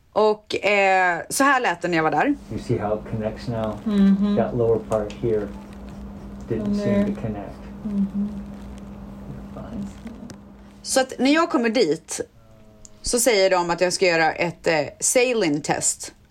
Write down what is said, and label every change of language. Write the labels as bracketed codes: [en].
[sv] Och så här lät det när jag var där. [en] You see how it connects now? Mm-hmm. That lower part here didn't seem to connect. [sv] Mm-hmm. Så att när jag kommer dit så säger de att jag ska göra ett saline test.